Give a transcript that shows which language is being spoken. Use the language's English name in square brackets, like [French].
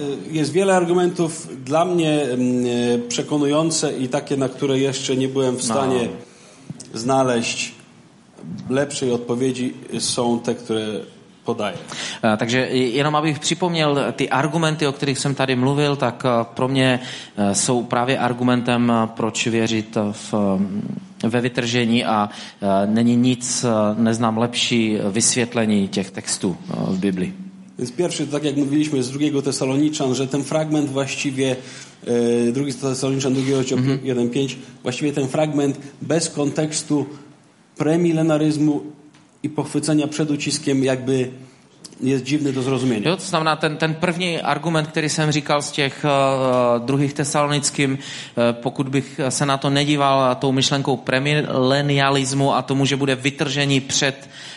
[Polish] Jest wiele argumentów dla mnie przekonujące i takie, na które jeszcze nie byłem w stanie znaleźć lepszej odpowiedzi, są te, które podaję. [Czech] Takže jenom abych připomněl ty argumenty, o kterých jsem tady mluvil, tak pro mě jsou právě argumentem, proč věřit ve vytržení a není nic, neznám lepší vysvětlení těch textů v Biblii. [Polish] Więc pierwszy, tak jak mówiliśmy, z drugiego Tesaloniczan, że ten fragment właściwie, drugi Tesaloniczan, drugi rozdział 1:5, właściwie ten fragment bez kontekstu premilenaryzmu i pochwycenia przed uciskiem jakby jest dziwny do zrozumienia. [Czech] Jo, to znamená ten první argument, který jsem říkal z těch druhých tesalonickým, pokud bych se na to nedíval tou myšlenkou premilenialismu a tomu, že bude vytržení před